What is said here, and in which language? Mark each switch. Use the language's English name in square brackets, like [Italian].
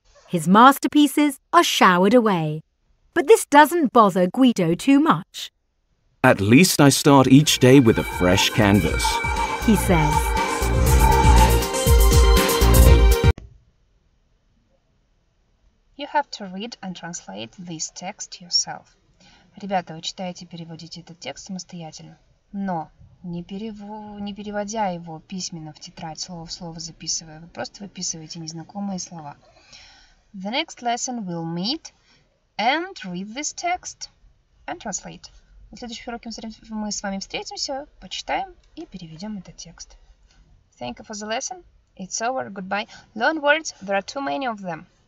[English] His masterpieces are showered away. But this doesn't bother Guido too much. At least I start each day with a fresh canvas, he says. You have to read and translate this text yourself. [Russian] Ребята, вы читаете и переводите этот текст самостоятельно. Но не переводя его письменно в тетрадь, слово в слово записывая, вы просто выписываете незнакомые слова. [English] The next lesson we'll meet and read this text and translate. [Russian] На следующих уроках мы с вами встретимся, почитаем и переведем этот текст. [English] Thank you for the lesson. It's over. Goodbye. Learn words. There are too many of them.